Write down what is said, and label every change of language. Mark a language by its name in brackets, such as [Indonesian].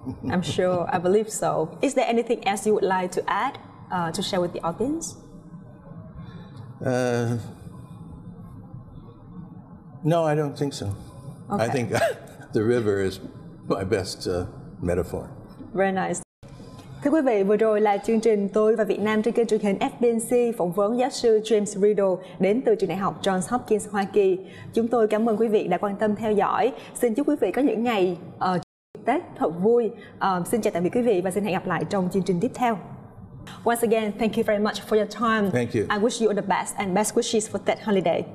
[English] I'm sure. I believe so. Is there anything else you would like to add to share with the audience? No, I don't think so. Okay. I think the river is my best metaphor. Very nice. [Vietnamese] Thưa quý vị, vừa rồi là chương trình Tôi và Việt Nam trên kênh truyền hình FBNC phỏng vấn giáo sư James Riedel đến từ trường đại học Johns Hopkins Hoa Kỳ. Chúng tôi cảm ơn quý vị đã quan tâm theo dõi. Xin chúc quý vị có những ngày Tết thật vui. Xin chào tạm biệt quý vị và xin hẹn gặp lại trong chương trình tiếp theo. [English] Once again, thank you very much for your time. Thank you. I wish you all the best and best wishes for that holiday.